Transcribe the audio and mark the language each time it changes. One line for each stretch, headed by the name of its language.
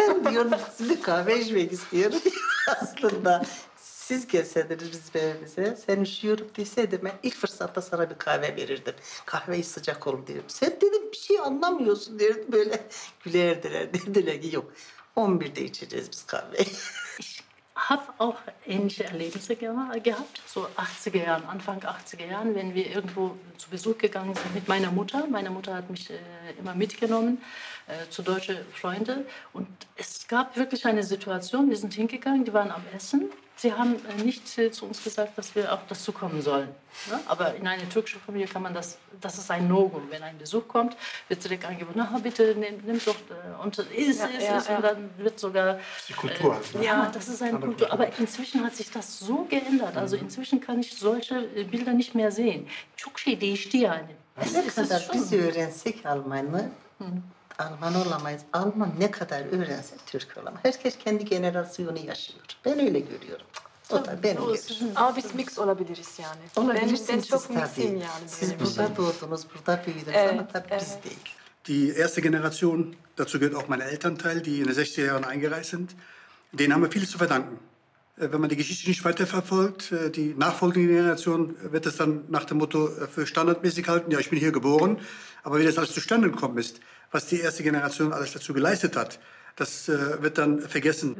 Turkish: Diyordum, sizinle kahve içmek istiyorum. Aslında siz gelseniz biz evimize, sen üşüyorum deseydim, ben ilk fırsatta sana bir kahve verirdim. Kahveyi sıcak olur derim. Sen dedim bir şey anlamıyorsun derdi, böyle gülerdiler. Dediler ki yok, 11'de içeceğiz biz kahveyi.
German: Hab auch ähnliche Erlebnisse gehabt, so 80er Jahren, Anfang 80er Jahren, wenn wir irgendwo zu Besuch gegangen sind mit meiner Mutter. Meine Mutter hat mich immer mitgenommen zu deutschen Freunden. Und es gab wirklich eine Situation, wir sind hingegangen, die waren am Essen. Sie haben nicht zu uns gesagt, dass wir auch dazu kommen sollen. Ne? Aber in einer türkischen Familie kann man das, das ist ein No-Go. Wenn ein Besuch kommt, wird direkt angeboten, na bitte, nimm doch, und isst. Und dann wird sogar... Das ist die Kultur. Ja, das ist eine Kultur. Aber inzwischen hat sich das so geändert. Also inzwischen kann ich solche Bilder nicht mehr sehen. Türkische Idee ist die eine. Es ist das schon.
Turkish: Alman olamayız. Alman ne kadar öğrense Türk olamaz. Herkes kendi generasyonu yaşıyor. Ben öyle görüyorum. O da beni görüyor. Ama biz mix olabiliriz yani. Olabilirsiniz. Ben çok mixim yani. Siz burada doğdunuz, burada büyüdünüz ama tabii biz değil.
German: Die erste Generation, dazu gehört auch mein Elternteil, die in den 60er Jahren eingereist sind, denen haben wir viel zu verdanken. Wenn man die Geschichte nicht weiterverfolgt, die nachfolgende Generation wird es dann nach dem Motto für standardmäßig halten. Ja, ich bin hier geboren, aber wie das alles zustande gekommen ist, was die erste Generation alles dazu geleistet hat, das wird dann vergessen.